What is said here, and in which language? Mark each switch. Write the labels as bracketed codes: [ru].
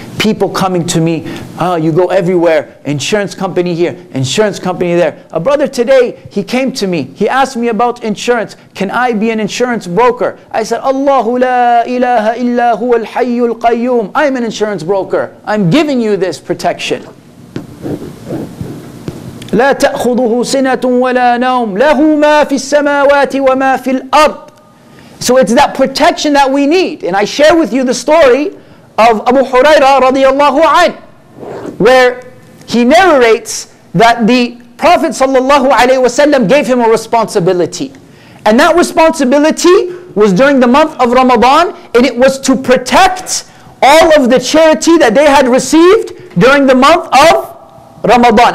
[en] people coming to me, oh, you go everywhere, insurance company here, insurance company there. A brother today, he came to me, he asked me about insurance, can I be an insurance broker? I said, [ar] Allahu la ilaha illa huwa al-hayyul qayyum. [en] I'm an insurance broker, I'm giving you this protection. [ar] لا تأخذه سنة ولا نوم له ما في السماوات وما في الأرض. [en] So it's that protection that we need. And I share with you the story of Abu Hurairah radiallahu an, where he narrates that the Prophet sallallahu alayhi wasallam gave him a responsibility. And that responsibility was during the month of Ramadan, and it was to protect all of the charity that they had received during the month of Ramadan.